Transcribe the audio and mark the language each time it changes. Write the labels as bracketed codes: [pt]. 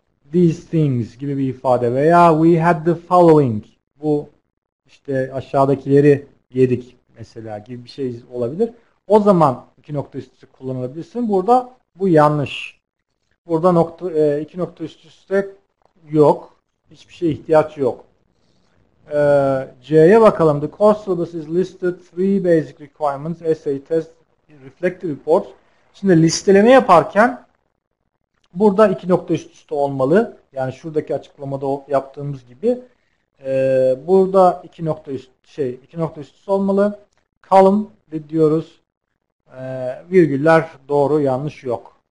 [en] these things [tr] gibi bir ifade veya [en] we had the following. [tr] Bu işte aşağıdakileri yedik mesela gibi bir şey olabilir. O zaman iki nokta üst üste kullanabilirsin. Burada bu yanlış. Burada iki nokta üst üste yok. Hiçbir şeye ihtiyaç yok. C'ye bakalım. [en] The course syllabus is listed three basic requirements. Essay, test, reflective report. [tr] Şimdi listeleme yaparken burada iki nokta üst üste olmalı. Yani şuradaki açıklamada yaptığımız gibi. Burada iki nokta üst üste olmalı. Column de diyoruz. Virgüller doğru, yanlış yok.